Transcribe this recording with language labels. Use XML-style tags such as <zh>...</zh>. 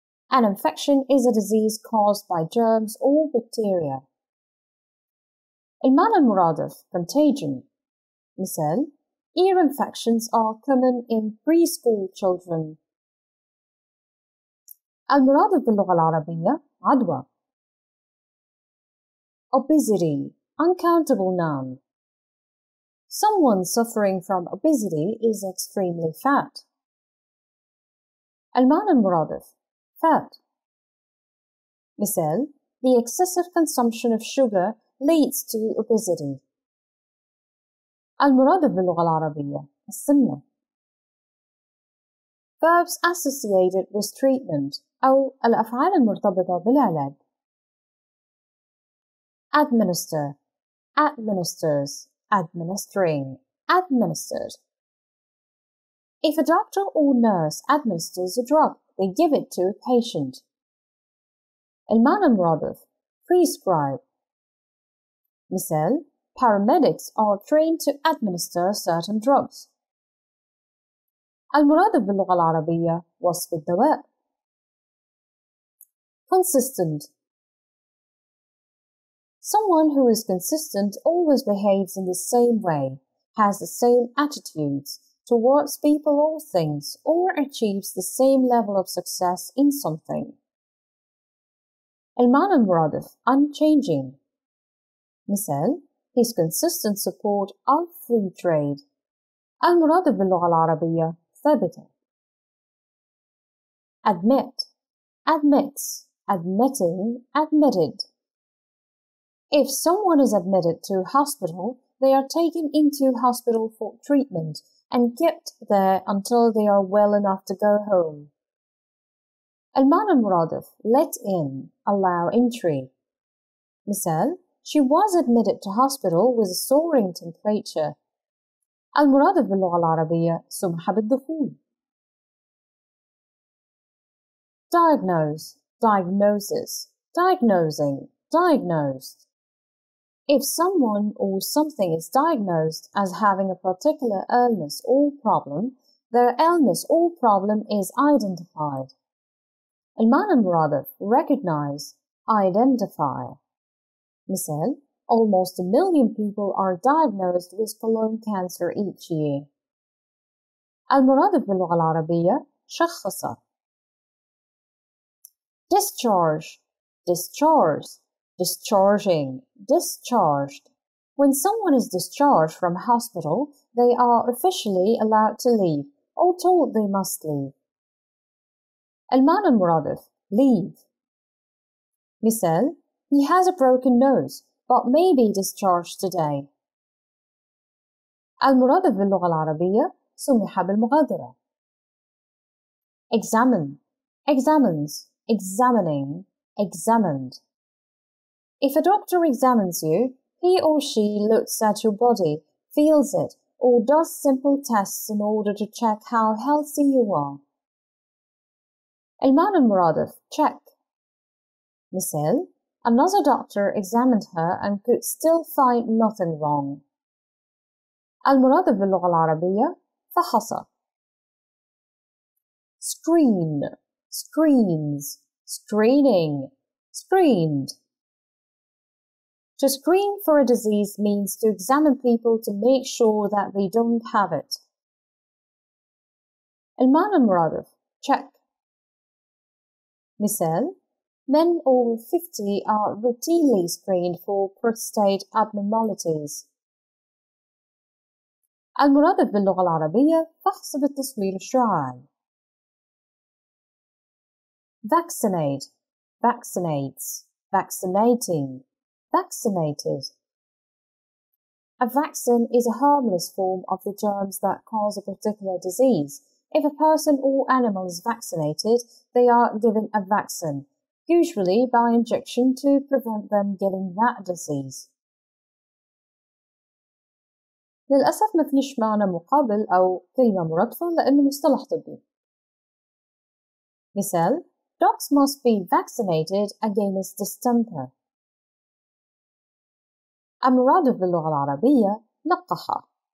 <en>An infection is a disease caused by germs or bacteria.</en> <ar>المعنى المرادف contagion.</ar> <en>مثال ear infections are common in preschool children.</en> <ar>المرادف باللغة العربية عدوى.</ar> <en>Obesity. Uncountable noun. Someone suffering from obesity is extremely fat.</en> <ar>المعنى المرادف fat.</ar> <en>مثال the excessive consumption of sugar leads to obesity.</en> <ar>المرادف باللغة العربية السمنة.</ar> <en>Verbs associated with treatment</en> <ar>أو الأفعال المرتبطة بالعلاج.</ar> <en>Administer. Administers. Administering. Administered. If a doctor or nurse administers a drug, they give it to a patient.</en> <ar>المعنى المرادف prescribe.</ar> <en>مثال paramedics are trained to administer certain drugs.</en> <ar>المرادف باللغة العربية وصف الدواء.</ar> <en>Consistent. Someone who is consistent always behaves in the same way, has the same attitudes towards people or things, or achieves the same level of success in something.</en> <ar>المعنى المرادف unchanging.</ar> <en>مثال his consistent support of free trade.</en> <ar>المرادف باللغة العربية ثابتة.</ar> <en>Admit. Admits. Admitting, admitted. If someone is admitted to a hospital, they are taken into hospital for treatment and kept there until they are well enough to go home.</en> <ar>المعنى المرادف,</ar> <en>let in, allow entry. مثال, she was admitted to hospital with a soaring temperature.</en> <ar>المرادف باللغة العربية, سمح بالدخول.</ar> <en>Diagnose, diagnosis, diagnosing, diagnosed. If someone or something is diagnosed as having a particular illness or problem, their illness or problem is identified.</en> <ar>المعنى المرادف,</ar> <en>recognize, identify. مثال, almost 1 million people are diagnosed with colon cancer each year.</en> <ar>المرادف باللغة العربية, شخص.</ar> <en>Discharge, discharge, discharging, discharged. When someone is discharged from a hospital, they are officially allowed to leave or told they must leave.</en> <ar>المعنى المرادف, leave.</ar> <en>مثال, he has a broken nose, but may be discharged today.</en> <ar>المرادف باللغة العربية, سمح بالمغادرة.</ar> <en>Examine, examines, examining, examined. If a doctor examines you, he or she looks at your body, feels it, or does simple tests in order to check how healthy you are.</en> <ar>المعنى المرادف, check.</ar> <en>مثال, another doctor examined her and could still find nothing wrong.</en> <ar>المرادف باللغة العربية, فحص.</ar> <en>Screen, screens, screening, screened. To screen for a disease means to examine people to make sure that they don't have it.</en> <ar>المعنى المرادف, check.</ar> <en>مثال, men over 50 are routinely screened for prostate abnormalities.</en> <ar>المرادف باللغة العربية, فحص بالتصوير الشرعي.</ar> <en>Vaccinate, vaccinates, vaccinating, vaccinated. A vaccine is a harmless form of the germs that cause a particular disease. If a person or animal is vaccinated, they are given a vaccine, usually by injection to prevent them getting that disease.</en> <ar>للأسف ما فيش معنى مقابل أو كلمة مرادفة لأن مصطلح طبي.</ar> <en>مثال, dogs must be vaccinated against distemper.</en> <ar>المرادف باللغة العربية, لقح.</ar>